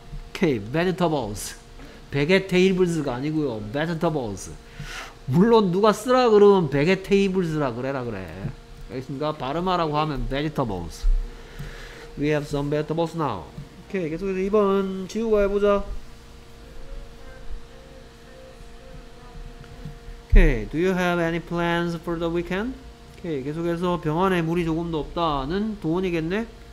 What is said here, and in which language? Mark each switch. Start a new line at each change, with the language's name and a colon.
Korean: 오케이. Vegetables. Vegetables가 아니고요. Vegetables. 물론 누가 쓰라 그러면 Vegetables라 그래라 그래. 알겠습니까? 발음하라고 하면
English: Vegetables. We have some vegetables now. 오케이.
Korean: 계속해서 2번 지우가 해보자. 오케이.
English: Do you have any plans for the weekend?
Korean: 오케이. 계속해서 병 안에 물이 조금도 없다는 도원이겠네.